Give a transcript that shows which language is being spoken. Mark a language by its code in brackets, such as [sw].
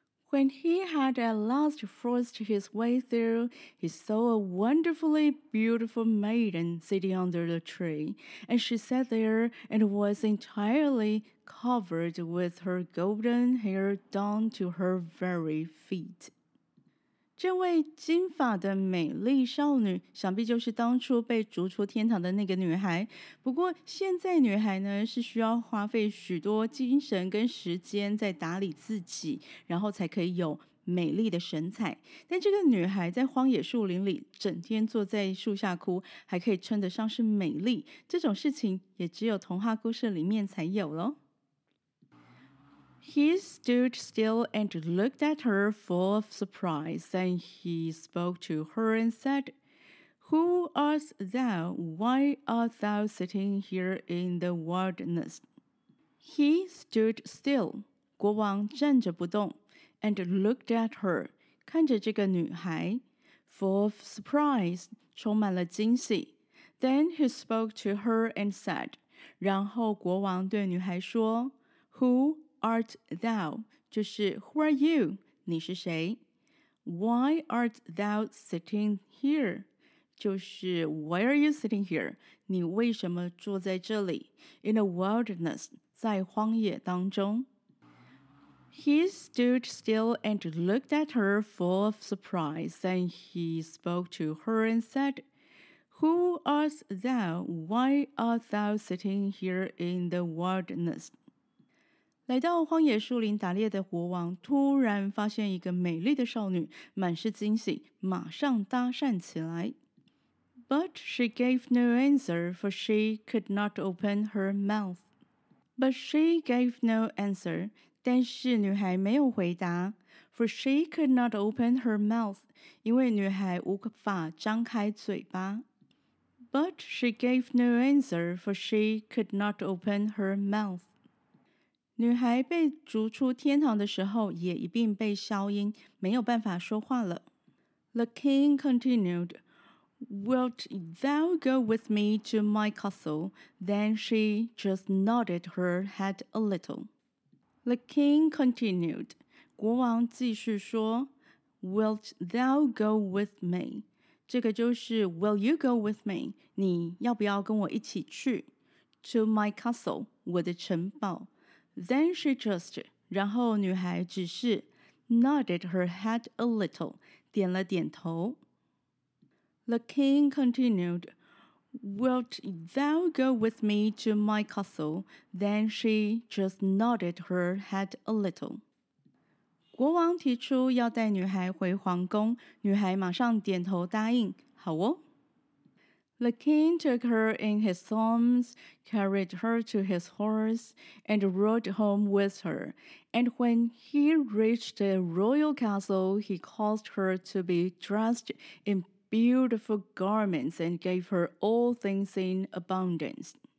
[en] When he had at last forced his way through, he saw a wonderfully beautiful maiden sitting under the tree, and she sat there and was entirely covered with her golden hair down to her very feet. [zh] 这位金发的美丽少女，想必就是当初被逐出天堂的那个女孩。不过现在女孩呢，是需要花费许多精神跟时间在打理自己，然后才可以有美丽的神采。但这个女孩在荒野树林里整天坐在树下哭，还可以称得上是美丽，这种事情也只有童话故事里面才有咯。 [en] He stood still and looked at her full of surprise, and he spoke to her and said, Who art thou? Why art thou sitting here in the wilderness? He stood still, [zh] 国王站着不动, [en] and looked at her, [zh] 看着这个女孩, [en] full of surprise, [zh] 充满了惊喜. [en] Then he spoke to her and said, [zh] 然后国王对女孩说, [en] Who Art thou? [zh] 就是 [en] Who are you? [zh] 你是谁? [en] Why art thou sitting here? [zh] 就是 [en] Why are you sitting here? [zh] 你为什么坐在这里? [en] In a wilderness, [zh] 在荒野当中。 [en] He stood still and looked at her full of surprise, and he spoke to her and said, Who art thou? Why art thou sitting here in the wilderness? [zh] 来到荒野树林打猎的国王突然发现一个美丽的少女，满是惊喜，马上搭讪起来。 [en] But she gave no answer, for she could not open her mouth. But she gave no answer, [zh] 但是女孩没有回答。 [en] For she could not open her mouth, [zh] 因为女孩无法张开嘴巴。 [en] But she gave no answer, for she could not open her mouth. [zh] 女孩被逐出天堂的时候也一并被消音，没有办法说话了。 [en] The king continued, Wilt thou go with me to my castle? Then she just nodded her head a little. The king continued, [zh] 国王继续说, [en] Wilt thou go with me? [zh] 这个就是 [en] Will you go with me? [zh] 你要不要跟我一起去? [en] To my castle, [zh] 我的城堡。 [en] Then she just, [zh] 然后女孩只是 [en] nodded her head a little, [zh] 点了点头。 [en] The king continued, Wilt thou go with me to my castle? Then she just nodded her head a little. [zh] 国王提出要带女孩回皇宫，女孩马上点头答应，好哦。 [en] The king took her in his arms, carried her to his horse, and rode home with her. And when he reached the royal castle, he caused her to be dressed in beautiful garments and gave her all things in abundance.